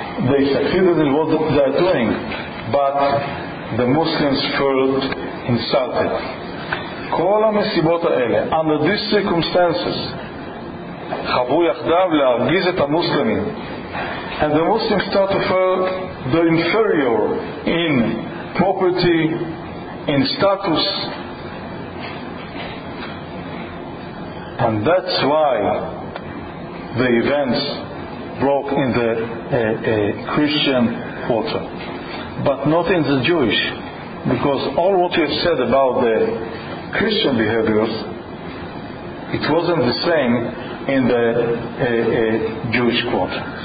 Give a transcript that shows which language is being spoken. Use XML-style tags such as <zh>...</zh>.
<en>They succeeded in what they are doing, but the Muslims felt insulted.</en> <he>כל המסיבות האלה,</he> <en>under these circumstances,</en> <he>חברו יחדיו להרגיז את המוסלמים.</he> <en>And the Muslims start to feel the inferior in property, in status. And that's why the events broke in the Christian quarter, but not in the Jewish, because all what you have said about the Christian behaviors, it wasn't the same in the Jewish quarter.</en>